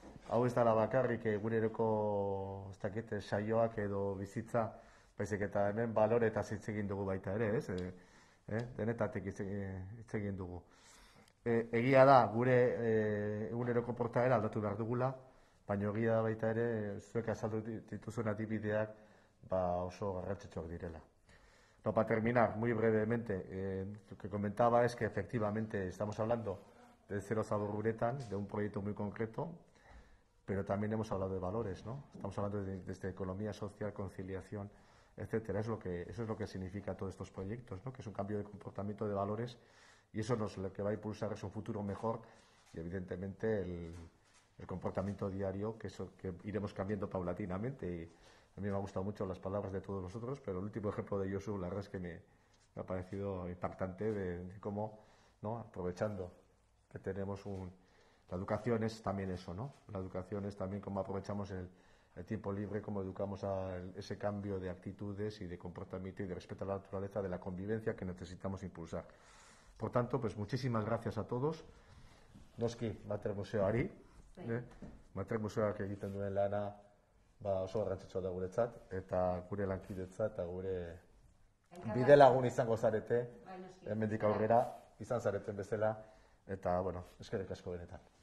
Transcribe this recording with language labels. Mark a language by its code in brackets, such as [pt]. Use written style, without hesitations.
[eu] Hau ez dala bakarrik gure eroko saioak edo bizitza, baizik eta hemen balore eta hitz egin dugu baita ere, ez? Denetatik hitz egin dugu. Egia da, gure eguneroko portaera aldatu behar dugula, baina egia da baita ere, zuek azaldu dituzuen adibideak ba oso garrantzitsuak direla. [es] No, para terminar, muy brevemente, lo que comentaba es que efectivamente estamos hablando de Cero Sabor Uretan, de un proyecto muy concreto, pero también hemos hablado de valores, ¿no? Estamos hablando desde economía social, conciliación, etcétera. Eso es lo que significa todos estos proyectos, ¿no? Que es un cambio de comportamiento, de valores, y eso nos lo que va a impulsar es un futuro mejor y evidentemente el comportamiento diario que iremos cambiando paulatinamente. Y a mí me ha gustado mucho las palabras de todos nosotros, pero el último ejemplo de Josu, la verdad es que me ha parecido impactante de cómo, ¿no?, aprovechando que tenemos la educación es también eso, ¿no? La educación es también cómo aprovechamos el tiempo libre, cómo educamos a ese cambio de actitudes y de comportamiento y de respeto a la naturaleza, de la convivencia que necesitamos impulsar. Por tanto, pues muchísimas gracias a todos. [eu] Noski, Mater Museoari. Mater Museoak egiten duen lana ba oso garrantzitsua da guretzat eta gure lankidetza eta gure bide lagun izango zarete. Hemendik aurrera izan zareten bezala eta bueno, eskerrik asko benetan.